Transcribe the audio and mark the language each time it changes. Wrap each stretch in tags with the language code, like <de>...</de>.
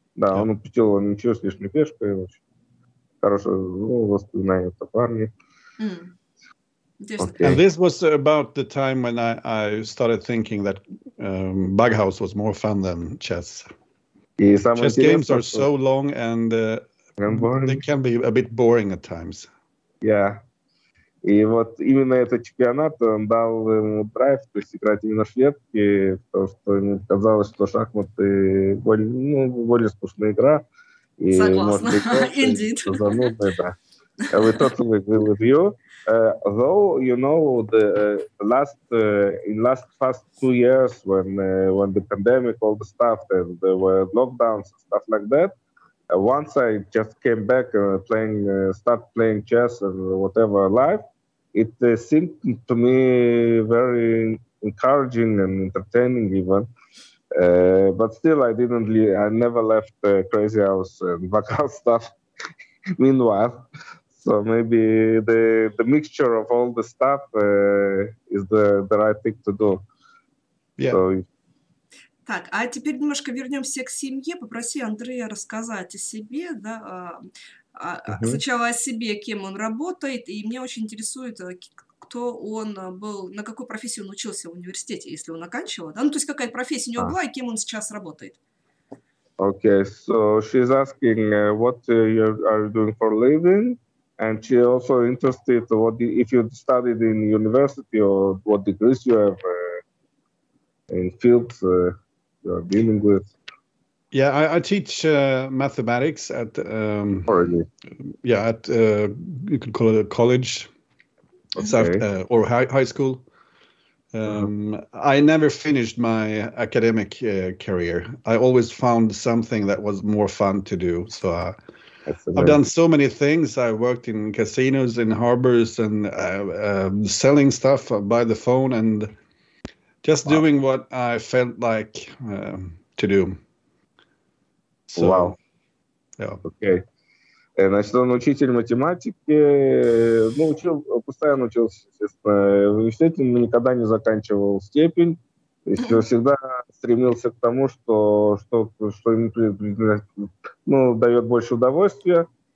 <ru>Да, yeah. Он упустил он ничего с лишней пешкой, в общем, хорошо воспоминает о парне.</ru> <en>Okay. And this was about the time when I started thinking that bughouse was more fun than chess. Chess games are so long and boring. They can be a bit boring at times. Yeah.</en> <ru>И вот именно этот чемпионат он дал ему драйв, то есть играть именно в шведке, потому что ему казалось, что шахматы более скучная игра. И, согласна. Может,</ru> <en>indeed. We totally agree with you. Though you know, the last 2 years when the pandemic, all the stuff, and there were lockdowns and stuff like that. Once I just came back playing chess and whatever live, it seemed to me very encouraging and entertaining even. But still, I never left crazy house and bughouse stuff. Meanwhile. So maybe the mixture of all the stuff is the right thing to do. Yeah. So,</en> <ru>так, а теперь немножко вернемся к семье. Попроси Андрея рассказать о себе, да, сначала о себе, кем он работает, и меня очень интересует, кто он был, на какую профессию он учился в университете, если он оканчивал. Да? Ну, то есть какая профессия у него была, и кем он сейчас работает.</ru> <en>Okay, so she's asking what you are doing for living. And she also interested what if you studied in university or what degrees you have in fields you are dealing with. Yeah, I teach mathematics at you could call it a college, okay. Or high school. Yeah. I never finished my academic career. I always found something that was more fun to do. So. I've done so many things. I worked in casinos, in harbors, and selling stuff by the phone, and Just doing what I felt like to do. So, wow. Yeah. Okay.</en> <ru>Значит, он учитель математики, ну, учил, постоянно учился, естественно, в университете, но никогда не заканчивал степень. То есть он всегда стремился к тому, что, что ему ну, дает больше удовольствия.</ru>